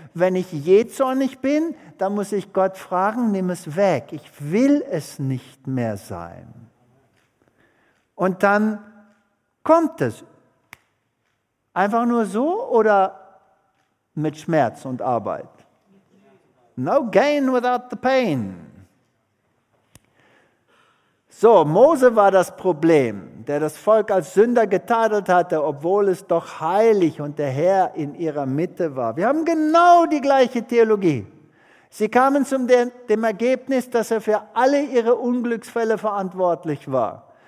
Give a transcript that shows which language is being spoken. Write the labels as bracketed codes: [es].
[de] Wenn ich jähzornig bin, dann muss ich Gott fragen, nimm es weg. Ich will es nicht mehr sein. Und dann kommt es. Einfach nur so oder mit Schmerz und Arbeit? [en] No gain without the pain. [de] So, Mose war das Problem, der das Volk als Sünder getadelt hatte, obwohl es doch heilig und der Herr in ihrer Mitte war. Wir haben genau die gleiche Theologie. Sie kamen zum dem Ergebnis, dass er für alle ihre Unglücksfälle verantwortlich war.